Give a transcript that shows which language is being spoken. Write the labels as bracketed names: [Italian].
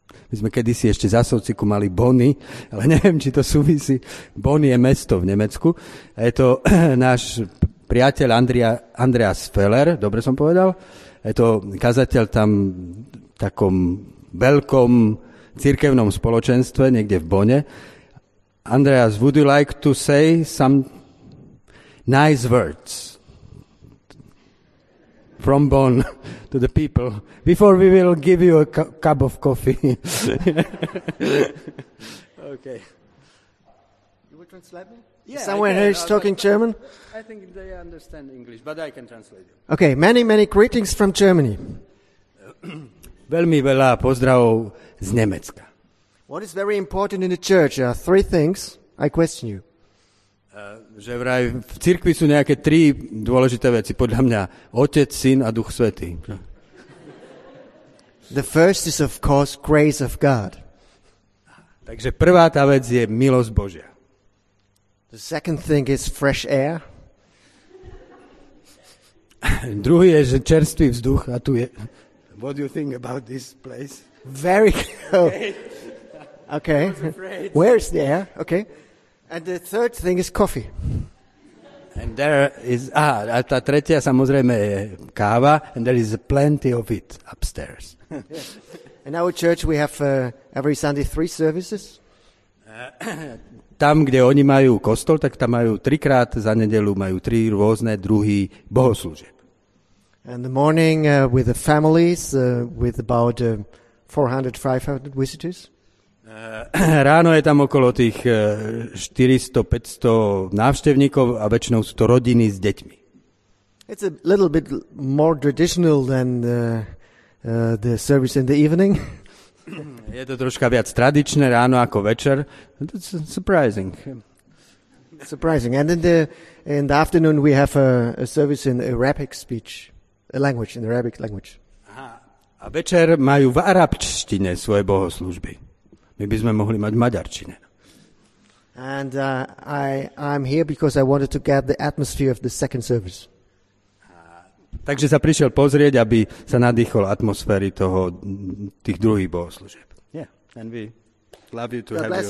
[Slovak] My sme kedysi ešte za Socíku mali Bony, ale neviem, či to súvisí. Bony je mesto v Nemecku. A je to náš priateľ Andreas Feller, dobre som povedal. Je to kazateľ tam takom veľkom cirkevnom spoločenstve, niekde v Bonne. [English] Andreas, would you like to say some nice words from Bonn to the people before we will give you a cup of coffee? Okay. You will translate me? Yeah, someone here is talking German? I think they understand English, but I can translate it. Okay, many, many greetings from Germany. [Slovak] Veľmi veľa pozdravov z Nemecka. [English] What is very important in the church? There are three things I question you. [Slovak] Že vraj v cirkvi sú nejaké tri dôležité veci, podľa mňa Otec, Syn a Duch Svätý. [English] The first is of course grace of God. [Slovak] Takže prvá tá vec je milosť Božia. [English] The second thing is fresh air. [Slovak] Druhý je čerstvý vzduch a tu je. [English] What do you think about this place? Very cool. Okay. Where is the air? Okay. And the third thing is coffee. And there is a [Slovak] tá tretia samozrejme je káva, [English] and there is plenty of it upstairs. In our church we have every Sunday 3 services. [Slovak] Tam kde oni majú kostol, tak tam majú 3-krát za nedeľu majú 3 rôzne druhy bohoslúžeb. [English] In the morning with the families with about 400-500 visitors. [Slovak] Ráno je tam okolo tých 400-500 návštevníkov a väčšinou sú to rodiny s deťmi. [English] It's a little bit more traditional than the service in the evening. [Slovak] Je to troška viac tradičné ráno ako večer. [English] It's surprising. Surprising. And in the afternoon we have a service in Arabic speech, a language, in Arabic language. [Slovak] A večer majú v arabčtine svoje bohoslužby. My by sme mohli mať maďarčine. [English] And I'm here because I wanted to get the atmosphere of the second service. [Slovak] Takže sa prišiel pozrieť, aby sa nadýchol atmosféry toho tých druhých bohoslúžeb. [English] Yeah, and we love you to have